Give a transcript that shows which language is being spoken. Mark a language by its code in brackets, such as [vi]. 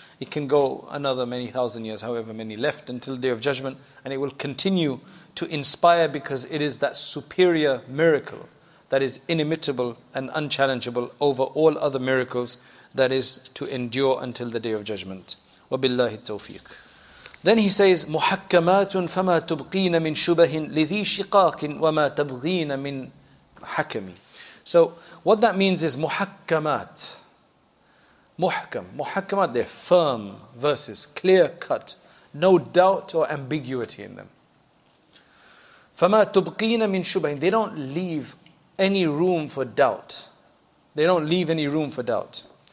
[en] It can go another many thousand years, however many left, until the Day of Judgment. And it will continue to inspire because it is that superior miracle that is inimitable and unchallengeable over all other miracles that is to endure until the Day of Judgment. [ar] وَبِاللَّهِ التَّوْفِيقِ. [en] Then he says, [ar] مُحَكَّمَاتٌ فَمَا تُبْقِينَ مِنْ شُبَهٍ لِذِي شِقَاقٍ وَمَا تَبْغِينَ مِنْ حَكَمٍ. [en] So what that means is muhakkamat. Muhakkamat, they're firm verses, clear cut, no doubt or ambiguity in them. [ar] فَمَا تُبْقِينَ مِنْ شُبَهٍ. [en] They don't leave any room for doubt. They don't leave any room for doubt.